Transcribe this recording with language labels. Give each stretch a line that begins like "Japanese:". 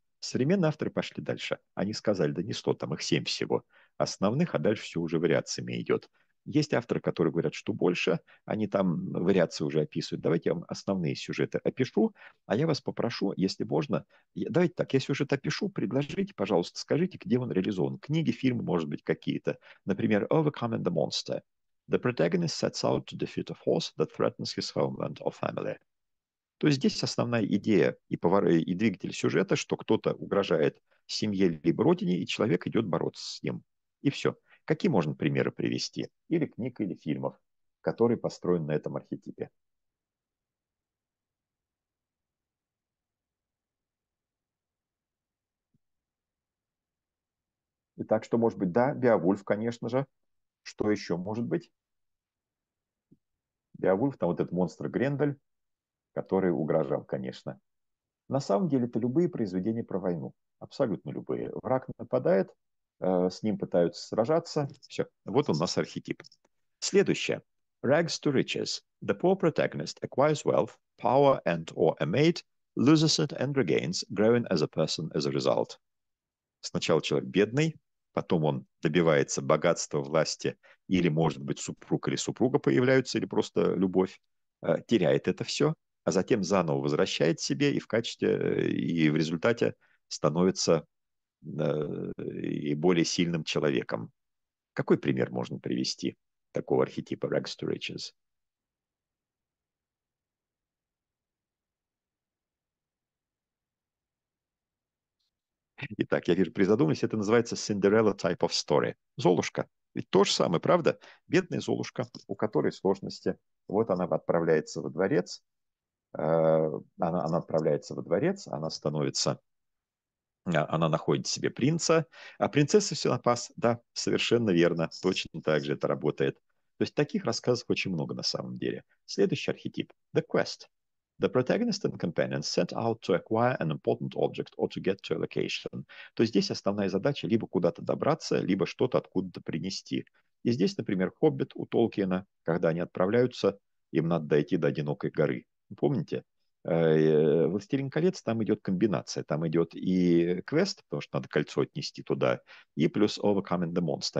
Russian: Современные авторы пошли дальше. Они сказали: да не 100, там их 7 всего основных, а дальше все уже вариациями идет. Есть авторы, которые говорят, что больше, они там вариации уже описывают. Давайте я вам основные сюжеты опишу, а я вас попрошу, если можно, давайте так, я сюжет опишу, предложите, пожалуйста, скажите, где он реализован. Книги, фильмы, может быть, какие-то.
English: Например, «Overcoming the Monster». The protagonist sets out to defeat a force that threatens his homeland or family.
Russian: То есть здесь основная идея и двигатель сюжета, что кто-то угрожает семье либо родине, и человек идет бороться с ним. И все. Какие можно примеры привести? Или книг, или фильмов, которые построены на этом архетипе? Итак, что может быть? Да, Беовульф, конечно же. Что еще может быть? Беовульф, там вот этот монстр Грендель, который угрожал, конечно. На самом деле это любые произведения про войну, абсолютно любые. Враг нападает, с ним пытаются сражаться, все, вот у нас архетип.
English: Следующее. Rags to riches. The poor protagonist acquires wealth, power and or a mate, loses it and regains, growing as a person as a result.
Russian: Сначала человек бедный, потом он добивается богатства, власти, или, может быть, супруг или супруга появляются, или просто любовь, теряет это все, а затем заново возвращает себе и в качестве, и в результате становится и более сильным человеком. Какой пример можно привести такого архетипа «Rags to Riches»? Итак, я вижу, призадумались, это называется
English: Cinderella type of story.
Russian: Золушка. Ведь то же самое, правда? Бедная Золушка, у которой сложности. Вот она отправляется во дворец. Она отправляется во дворец, она становится... Она находит себе принца. А принцесса все напас. Да, совершенно верно. Точно так же это работает. То есть таких рассказов очень много на самом деле. Следующий архетип. The Quest.
English: The protagonist and companion set out to acquire an important object or to get to a location.
Russian: То есть здесь основная задача либо куда-то добраться, либо что-то откуда-то принести. И здесь, например, «Хоббит» у Толкина, когда они отправляются, им надо дойти до одинокой горы. Помните? «Властелин колец» там идет комбинация. Там идет и квест, потому что надо кольцо отнести туда, и плюс «Overcoming the Monster».